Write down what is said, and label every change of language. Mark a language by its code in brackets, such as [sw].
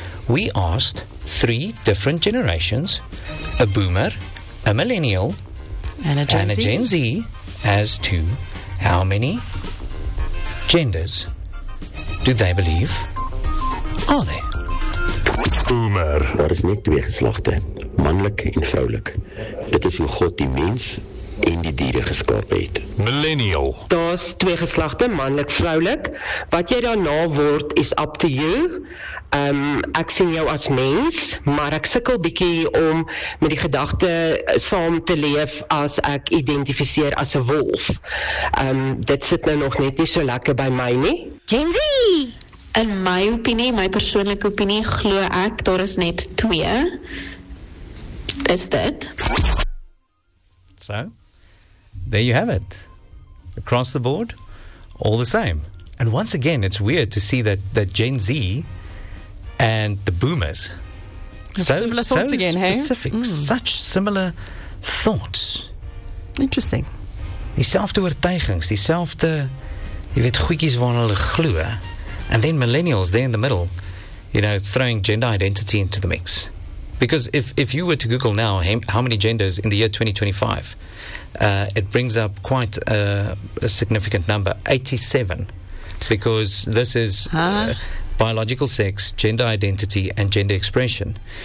[en] We asked three different generations, a boomer, a millennial, And a Gen Z, as to how many genders do they believe are there? Boomer. [af] Daar is net twee geslagte, mannelik en vroulik. Dit is hoe God die mens en die diere geskaap het. [en] Millennial. [af] Daar's twee geslagte, mannelik, vroulik. Wat jy daarna word is [en] up to you. [af] Ek sien jou as mens, maar ek sukkel bietjie om met die gedagte saam te leef as ek identifiseer as 'n wolf. Dit sit nou nog net nie so lekker by my nie. Gen Z! In my opinie, my persoonlike opinie, glo ek, daar is net 2. Is dit? [en] So, there you have it. Across the board, all the same. And once again, it's weird to see that Gen Z and the boomers, such similar thoughts. Interesting. [af] Dieselfde oortuigings, dieselfde, jy weet, goedjies waarna hulle glo. [en] And then millennials, they're in the middle, you know, throwing gender identity into the mix. Because if you were to Google now how many genders in the year 2025, it brings up quite a significant number, 87. Because this is biological sex, gender identity, and gender expression.